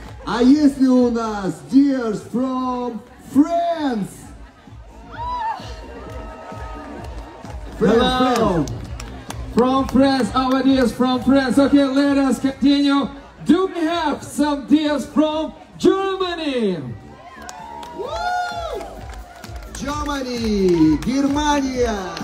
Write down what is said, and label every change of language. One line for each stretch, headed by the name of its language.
Russian: А если у нас
English: Dears from France? From France, our dears from France. Okay, let us continue. Do we have some dears from Germany? Woo! Germany, Германия.